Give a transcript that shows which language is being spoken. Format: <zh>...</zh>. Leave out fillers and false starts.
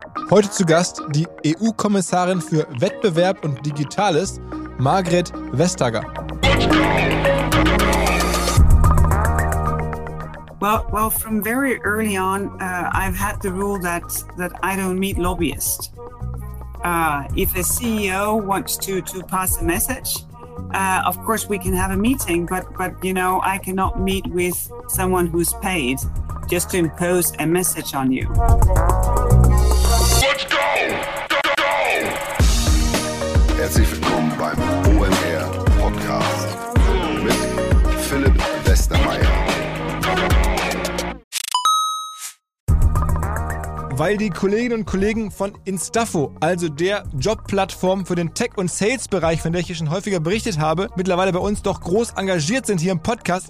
<de>Heute zu Gast die EU-Kommissarin für Wettbewerb und Digitales, Margret Vestager.</de> <en>Well, from very early on, I've had the rule that I don't meet lobbyists. If a CEO wants to pass a message, of course we can have a meeting, but you know, I cannot meet with someone who's paid just to impose a message on you. Let's go! Go!</en> <de>Herzlich willkommen beim OMR Podcast mit Philipp Westermeier. Weil die Kolleginnen und Kollegen von Instafo, also der Jobplattform für den Tech- und Sales-Bereich, von der ich hier schon häufiger berichtet habe, mittlerweile bei uns doch groß engagiert sind hier im Podcast.</de>